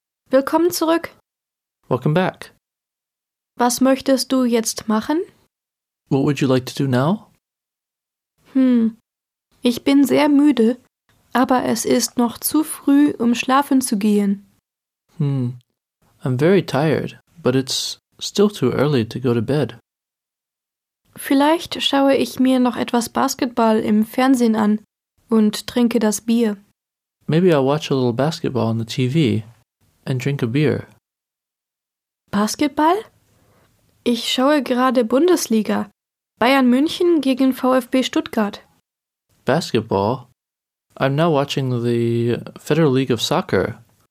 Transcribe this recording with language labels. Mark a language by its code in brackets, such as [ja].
[de] Willkommen zurück. [en] Welcome back. [de] Was möchtest du jetzt machen? [en] What would you like to do now? [de] Ich bin sehr müde, aber es ist noch zu früh, schlafen zu gehen. [en] I'm very tired, but it's still too early to go to bed. [de] Vielleicht schaue ich mir noch etwas Basketball im Fernsehen an und trinke das Bier. [en] Maybe I'll watch a little basketball on the TV and drink a beer. [de] Basketball? Ich schaue gerade Bundesliga. Bayern München gegen VfB Stuttgart. Basketball? [en] I'm now watching the Federal League of Soccer.